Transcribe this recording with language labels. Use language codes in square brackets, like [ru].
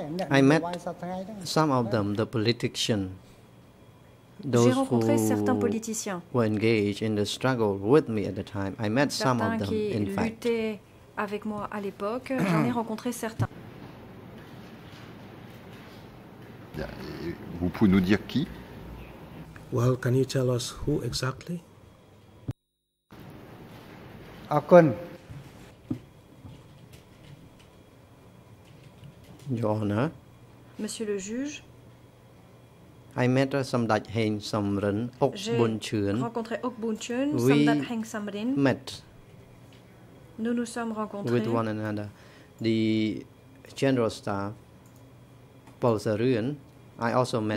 [en] I met some of them, the politicians, those who were engaged in the struggle with me at the time. I met some of them, in fact. [fr] Avec moi à l'époque, j'en ai rencontré certains. Bien, vous pouvez nous dire qui? [en] Well, can you tell us who exactly? [km] Akon. [en] Your Honor. [fr] Monsieur le juge. [en] I met Samdak Heng Samrin, Ok Bun Chuen. [fr] J'ai rencontré Ok Bun Chuen, Samdak Heng Samrin. [en] We met. [fr] Nous nous sommes rencontrés [en] with one another. The general staff, Paul Saruen, I also met